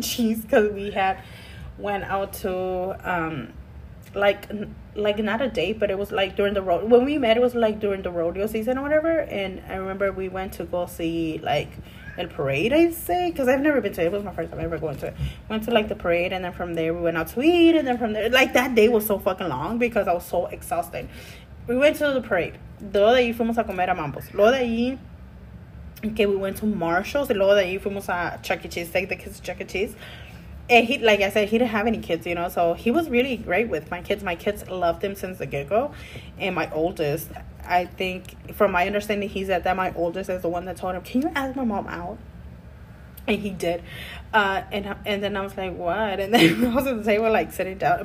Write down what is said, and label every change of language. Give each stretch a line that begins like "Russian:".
English: Cheese because we had went out to not a date, but it was during the road when we met. It was during the rodeo season or whatever. And I remember we went to go see el parade, I'd say, because I've never been to it. It was my first time ever going to it. Went to the parade, and then from there we went out to eat, and then from there that day was so fucking long because I was so exhausted. We went to the parade.
Spanish: Luego de ahí fuimos a comer a Mambo's. Luego de ahí,
English: okay, we went to Marshall's.
Spanish: Luego de ahí fuimos a Chuck E.
English: Cheese. Take the kids to Chuck E. Cheese. And he, like I said, he didn't have any kids, so he was really great with my kids. My kids loved him since the get-go. And my oldest, I think, from my understanding, he's at that. My oldest is the one that told him, can you ask my mom out? And he did. And then I was like, what? And then I was at the table, like, sitting down.